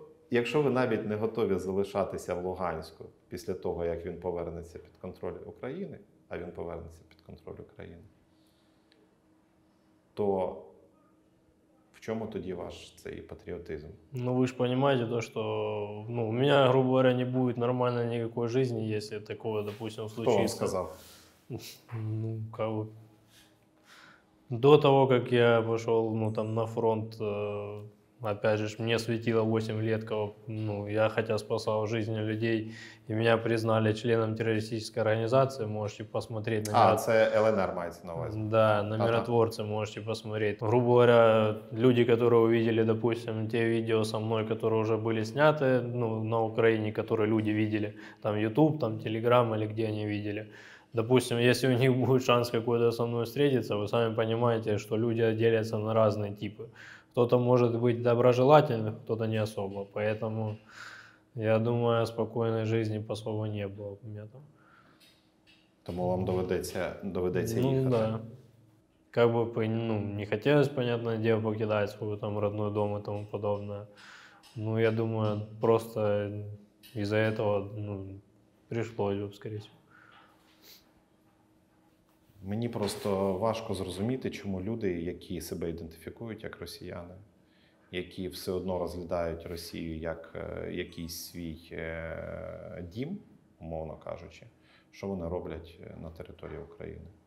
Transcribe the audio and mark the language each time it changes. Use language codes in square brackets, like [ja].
[uk] Якщо ви навіть не готові залишатися в Луганську після того, як він повернеться під контроль України, а він повернеться під контроль України, то в чому тоді ваш цей патріотизм? Ну, ви ж розумієте, що, ну, у мене, грубо говоря, не буде нормально ніякої житті, якщо такого, допустим, случиться. Хто вам сказав? [ru] Ну, как бы... До того, як я пішов, ну, там, на фронт, опять же, мне светило 8 лет, кого, ну, я хотя спасал жизни людей, и меня признали членом террористической организации, можете посмотреть на меня. А, это ЛНР, мается на увазе. Да, на миротворца можете посмотреть. Грубо говоря, люди, которые увидели, допустим, те видео со мной, которые уже были сняты, ну, на Украине, которые люди видели, там, YouTube, там, Telegram или где они видели, Допустим, если у них будет шанс какой-то со мной встретиться, вы сами понимаете, что люди делятся на разные типы. Кто-то может быть доброжелательным, кто-то не особо. Поэтому, я думаю, спокойной жизни особо не было у меня там. [uk] Тому вам доведеться їхати. Ну, да. [ru] Как бы, ну, не хотелось, понятное дело, покидать свой там родной дом и тому подобное. Ну, я думаю, просто из-за этого, ну, пришлось бы, скорее всего. [uk] Мені просто важко зрозуміти, чому люди, які себе ідентифікують як росіяни, які все одно розглядають Росію як якийсь свій дім, умовно кажучи, що вони роблять на території України.